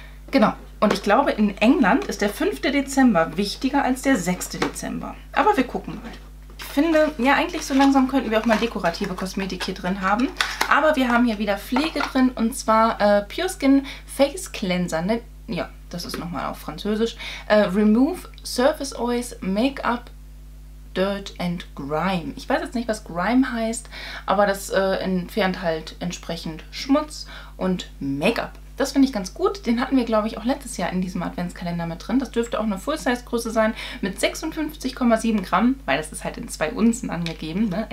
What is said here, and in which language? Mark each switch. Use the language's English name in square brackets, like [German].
[German] Genau. Und ich glaube, in England ist der 5. Dezember wichtiger als der 6. Dezember. Aber wir gucken mal. Ich finde, ja, eigentlich so langsam könnten wir auch mal dekorative Kosmetik hier drin haben. Aber wir haben hier wieder Pflege drin und zwar Pure Skin Face Cleanser. Ne? Ja, das ist nochmal auf Französisch. [English] Remove Surface Oils, Make-up, Dirt and Grime. [German] Ich weiß jetzt nicht, was Grime heißt, aber das entfernt halt entsprechend Schmutz und Make-up. Das finde ich ganz gut. Den hatten wir, glaube ich, auch letztes Jahr in diesem Adventskalender mit drin. Das dürfte auch eine Full-Size-Größe sein mit 56,7 Gramm, weil das ist halt in 2 Unzen angegeben, ne?